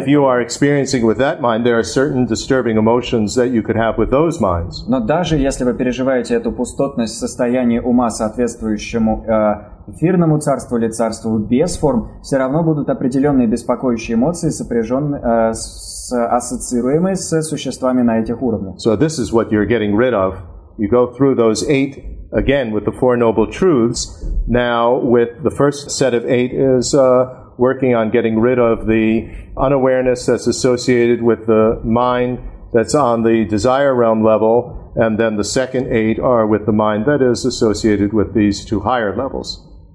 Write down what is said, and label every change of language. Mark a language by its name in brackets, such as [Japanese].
[English] If you are experiencing with that mind, there are certain disturbing emotions that you could have with those minds. [Russian] Но даже если вы переживаете эту пустотность в состоянии ума, соответствующему эфирному царству или царству без форм, все равно будут определенные беспокоящие эмоции, ассоциируемые с существами на этих уровнях. [English] So this is what you're getting rid of. You go through those 8 again with the Four Noble Truths. Now with the first set of 8 is working on getting rid of the unawareness that's associated with the mind that's on the desire realm level, and then the second eight are with the mind that is associated with these two higher levels.